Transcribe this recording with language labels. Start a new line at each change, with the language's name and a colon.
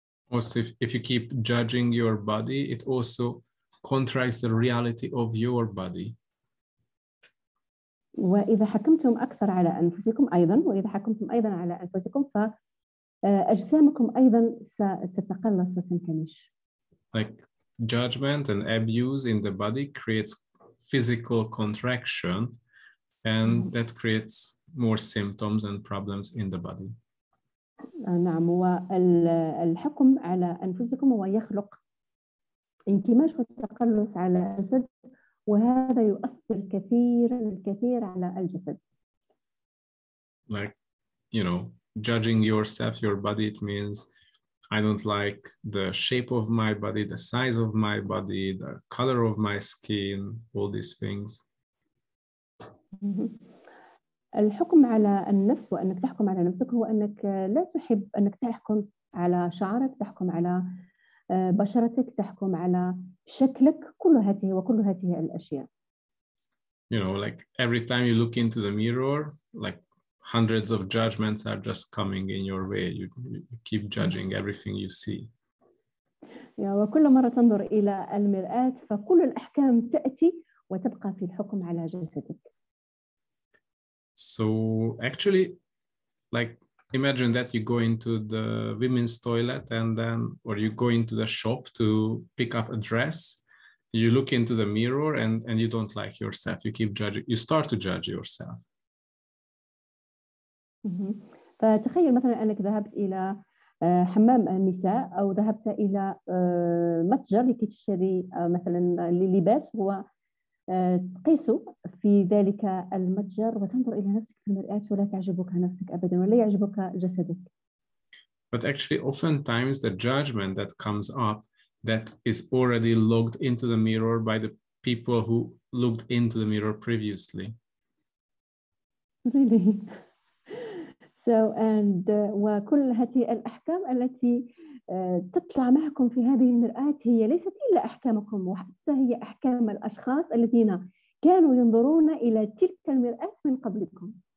English: Also, if you keep judging your body, it also contracts the reality of your body.
Arabic: وإذا حكمتم أكثر على أنفسكم أيضا، وإذا حكمتم أيضا على أنفسكم، ف أجسامكم أيضا ستتقلص وتنكمش.
English: Like judgment and abuse in the body creates physical contraction, and that creates more symptoms and problems in the body.
Arabic: نعم، والحكم على أنفسكم هو يخلق انكماش وتقلص على الجسد، وهذا يؤثر كثير الكثير على الجسد.
English: Like, you know, judging yourself, your body, it means I don't like the shape of my body, the size of my body, the color of my skin, all these things.
Arabic: الحكم على النفس وأنك تحكم على نفسك هو أنك لا تحب أنك تحكم على شعرك، تحكم على بشرتك، تحكم على شكلك، كل هذه وكل هذه الأشياء.
English: You know, like every time you look into the mirror, like hundreds of judgments are just coming in your way. You keep judging everything you see.
Arabic: Yeah, وكل مرة تنظر إلى المرآة فكل الأحكام تأتي وتبقى في الحكم على جسدك.
English: So actually, like, imagine that you go into the women's toilet and then, or you go into the shop to pick up a dress, you look into the mirror and you don't like yourself. You keep judging, you start to judge yourself.
Arabic: فتخيل مثلا أنك ذهبت إلى حمام النساء أو ذهبت إلى متجر لكي تشتري مثلا للباس، تقيس في ذلك المتجر وتنظر إلى نفسك في المرآة ولا تعجبك نفسك أبدا ولا يعجبك جسدك.
English: But actually, oftentimes the judgment that comes up that is already logged into the mirror by the people who looked into the mirror previously. Really?
Arabic: So, وكل هذه الأحكام التي تطلع معكم في هذه المرآة هي ليست إلا أحكامكم، وحتى هي أحكام الأشخاص الذين كانوا ينظرون إلى تلك المرآة من قبلكم.